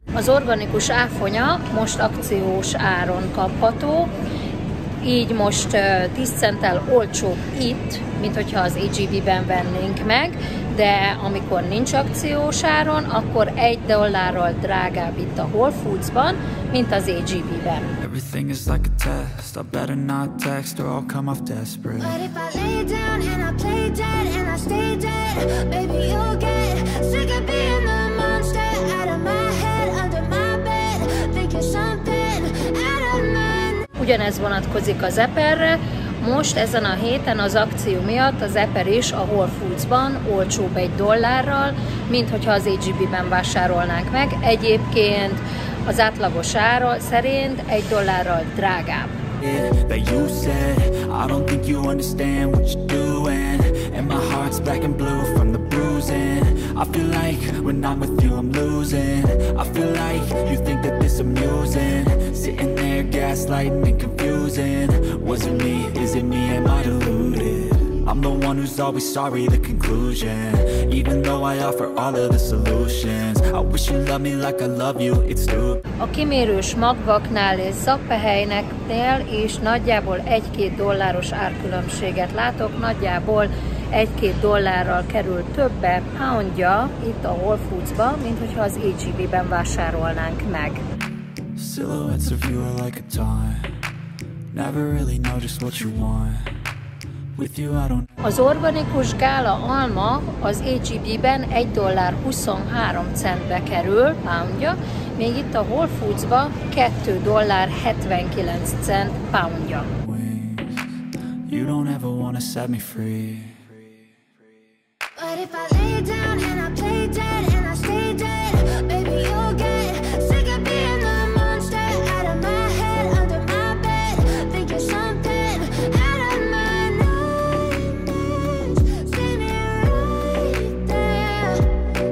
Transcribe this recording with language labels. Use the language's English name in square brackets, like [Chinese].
[Hungarian] Az organikus áfonya most akciós áron kapható, így most 10 centtel olcsóbb itt, mint hogyha az AGB-ben vennénk meg, de amikor nincs akciós áron, akkor $1 drágább itt a Whole Foods-ban, mint az AGB-ben. [English] Everything is like a test, I better not text or I'll come off desperate. But if I lay down and I play dead and I stay dead, maybe you'll get sick of being the monster out of my head, under my bed, think you're something out of my... [Hungarian] Ugyanez vonatkozik az eperre, most ezen a héten az akció miatt az eper is a Whole Foods-ban olcsóbb $1, mint hogyha az AGB-ben vásárolnánk meg. Egyébként az átlagos ára szerint $1 drágább. [English] But you said, I don't think you understand what you're doing. And my heart's black and blue from the bruising. I feel like when I'm with you I'm losing. I feel like you think that this amusing. Sitting there gaslighting and confusing. Was it me? Is it me? Am I deluded? I'm the one who's always sorry, the conclusion. Even though I offer all of the solutions. I wish you loved me like I love you, it's stupid. [Hungarian] A kimérős magvaknál és szappehelyneknél is nagyjából $1-2 árkülönbséget látok. Nagyjából $1-2 kerül többe poundja itt a Whole Foods-ba, mint hogyha az HEB-ben vásárolnánk meg. [English] Silhouettes of you are like a time. Never really know just what you want. [Hungarian] Az organikus gála alma az HEB-ben $1.23 kerül poundja, még itt a Whole Foods-ba $2.79 poundja. [English] You don't ever wanna set me free. But if I lay down and I play dead and I stay dead, baby you'll get sick of being the monster out of my head, under my bed, thinking something out of my nightmares, standing right there.